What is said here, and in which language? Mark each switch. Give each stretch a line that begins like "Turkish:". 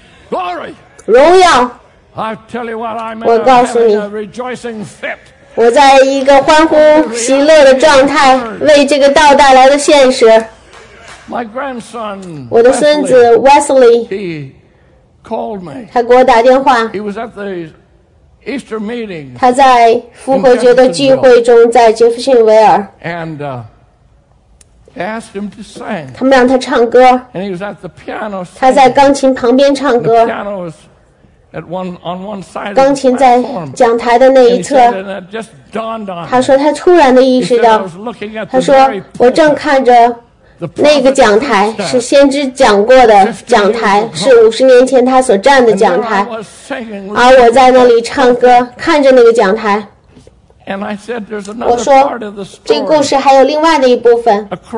English: glory.
Chinese: 荣耀。
English: I tell you what, I'm in a rejoicing fit.
Chinese: 我在一个欢呼喜乐的状态，为这个道带来的现实。
English: My grandson,
Chinese: 我的孙子 Wesley,
English: he called me.
Chinese: 他给我打电话。
English: He was at the Easter meeting.
Chinese: 他在复活节的聚会中，在杰弗逊维尔。
English: And asked him to sing.
Chinese: 他们让他唱歌。
English: And he was at the piano.
Chinese: 他在钢琴旁边唱歌。
English: The piano was at one on one side.
Chinese: 钢琴在讲台的那一侧。
English: And it just dawned on.
Chinese: 他说他突然的意识到。
English: He said, I was looking at the very pulpit.
Chinese: 他说我正看着。那个讲台是先知讲过的讲台，是50年前他所站的讲台，而我在那里唱歌，看着那个讲台。我说，这个故事还有另外的一部分。